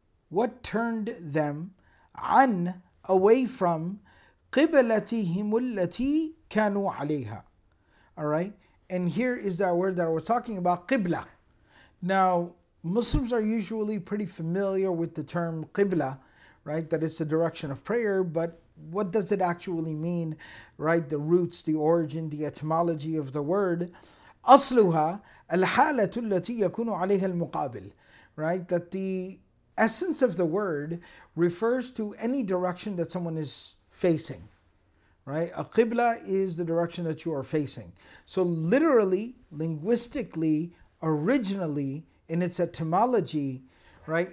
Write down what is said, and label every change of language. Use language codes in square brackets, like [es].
[en] What turned them عَنْ away from [ar] قِبَلَتِهِمُ الَّتِي كَانُوا عَلَيْهَا [en] Alright? And here is that word that I was talking about, qibla. Now, Muslims are usually pretty familiar with the term qibla, right? That is the direction of prayer, but what does it actually mean, right? The roots, the origin, the etymology of the word. [ar] أَصْلُهَا الْحَالَةُ الَّتِي يَكُنُ عَلَيْهَا الْمُقَابِلِ Right? [en] That the essence of the word refers to any direction that someone is facing. Right? A qibla is the direction that you are facing. So literally, linguistically, originally, in its etymology, right?